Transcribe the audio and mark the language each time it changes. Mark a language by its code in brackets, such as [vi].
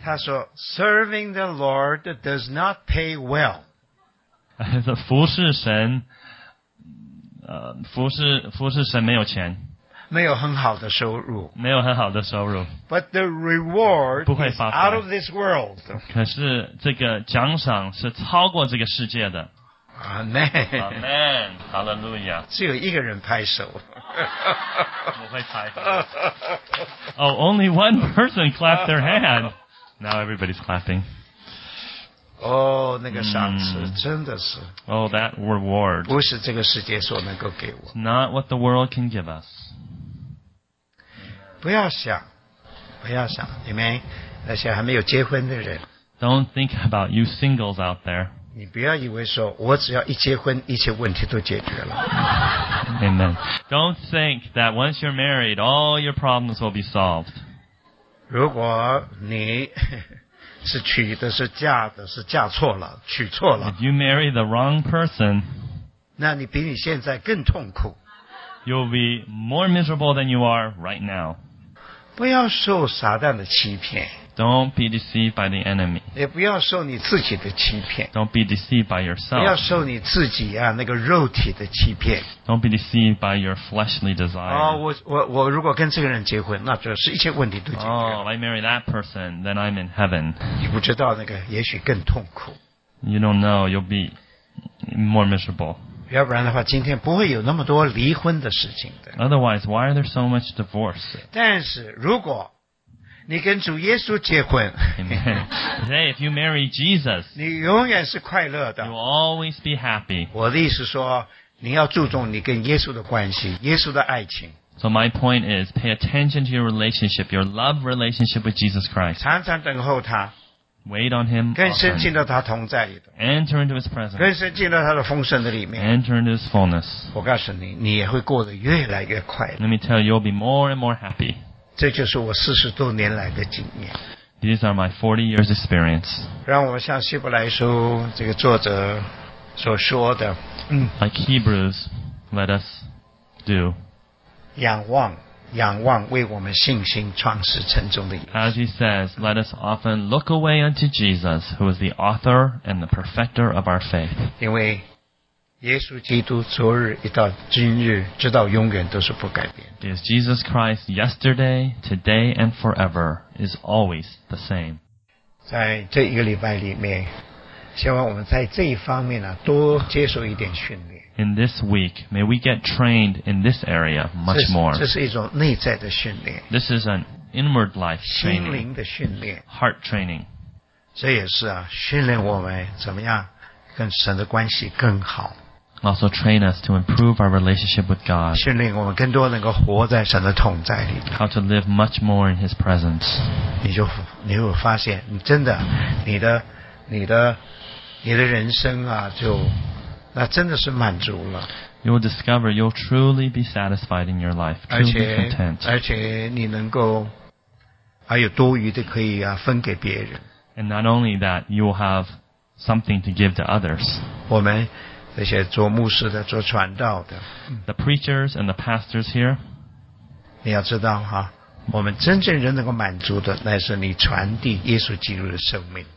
[zh] 他说 [en] ,serving the Lord does not pay well. [zh] 服侍神服侍神没有钱。没有很好的收入。没有很好的收入。 [en] But the reward is out of this world. [zh] 可是这个奖赏是超过这个世界的。 [en] Amen. Amen. Hallelujah. [zh] 只有一个人拍手。我会拍手。 [en] Oh, only one person clapped their hand. Now everybody's clapping. [zh] Oh, 那个赏赐真的是。 [en] Oh, that reward. [zh] 不是这个世界所能够给我。 [en] Not what the world can give us. [zh] 不要想，不要想，你们那些还没有结婚的人。 [en] Don't think about you singles out there. [zh] 你不要以为说我只要一结婚一切问题都解决了。 [en] Amen. Don't think that once you're married, all your problems will be solved. [zh] 如果你是娶的是嫁的是嫁错了娶错了。 [en] If you marry the wrong person, [zh] 那你比你现在更痛苦。 [en] You'll be more miserable than you are right now. [zh] 不要受撒旦的欺骗。 [en] Don't be deceived by the enemy. [zh] 也不要受你自己的欺骗。 [en] Don't be deceived by yourself. [zh] 不要受你自己啊那个肉体的欺骗。 [en] Don't be deceived by your fleshly desire. [zh] 哦，我如果跟这个人结婚，那就是一切问题都解决了。 [en] Oh, if I marry that person, then I'm in heaven. [zh] 你不知道那个也许更痛苦。 [en] You don't know, you'll be more miserable. [zh] 要不然的话今天不会有那么多离婚的事情的。 [en] Otherwise, why are there so much divorce? [zh] 但是如果你跟主耶稣结婚 [en] Amen. Today, if you marry Jesus, [zh] 你永远是快乐的。 [en] You'll always be happy. [zh] 我的意思说你要注重你跟耶稣的关系耶稣的爱情。 [en] So my point is, pay attention to your relationship, your love relationship with Jesus Christ. [zh] 常常等候他。 [en] Wait on him. [zh] 跟圣经的他同在里头。 [en] Enter into his presence. [zh] 跟圣经的他的丰盛的里面。 [en] Enter into his fullness. [zh] 我告诉你，你也会过得越来越快乐。 [en] Let me tell you, you'll be more and more happy. [zh] 这就是我四十多年来的经验。 [en] These are my 40 years experience. [zh] 让我像希伯来书这个作者所说的， [en] Like Hebrews, let us do. [zh] 仰望。仰望为我们信心创始成终的意思。 [en] As he says, let us often look away unto Jesus, who is the author and the perfecter of our faith. [zh] 因为耶稣基督昨日一到今日，直到永远都是不改变。 [en] Because Jesus Christ yesterday, today and forever is always the same. [zh] 在这一个礼拜里面，希望我们在这一方面呢，多接受一点训练。 [en] In this week, may we get trained in this area much more. [zh] 这是一种内在的训练。 [en] This is an inward life training. [zh] 心灵的训练。 [en] Heart training. [zh] 这也是啊，训练我们怎么样跟神的关系更好。 [en] Also train us to improve our relationship with God. [zh] 训练我们更多能够活在神的同在里。 [en] How to live much more in His presence. [zh] 你就发现，你真的，你的人生啊，就。那真的是满足了。 [en] You will discover you'll truly be satisfied in your life, truly content. [zh] 而且你能够还有多余的可以啊分给别人。 [en] And not only that, you will have something to give to others. [zh] 我们这些做牧师的、做传道的 [en] ，the preachers and the pastors here. [zh] 你要知道哈，我们真正人能够满足的，乃是你传递耶稣基督的生命。